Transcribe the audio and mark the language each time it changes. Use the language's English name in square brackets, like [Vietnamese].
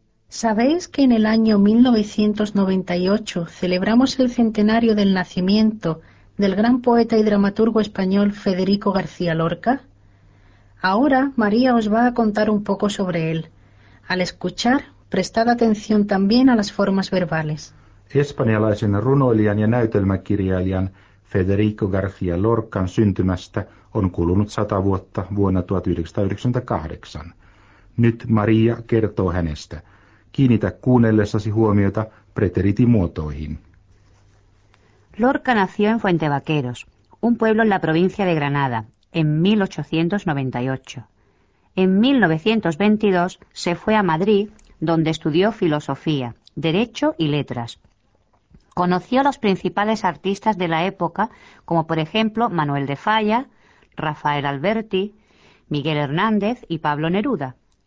[Spanish] ¿Sabéis que en el año 1998 celebramos el centenario del nacimiento del gran poeta y dramaturgo español Federico García Lorca? Ahora María os va a contar un poco sobre él. Al escuchar, prestad atención también a las formas verbales. [Finnish] Espanjalaisen runoilijan ja näytelmäkirjailijan Federico García Lorcan syntymästä on kulunut 100 vuotta vuonna 1998. Nyt Maria kertoo hänestä. Kiinnitä kuunnellessasi huomiota preteritimuotoihin. [Spanish] Lorca nació en Fuente Vaqueros, un pueblo en la provincia de Granada, en 1898. En 1922 se fue a Madrid, donde estudió filosofía, derecho y letras. Conoció a los principales artistas de la época, como por ejemplo Manuel de Falla, Rafael Alberti, Miguel Hernández y Pablo Neruda.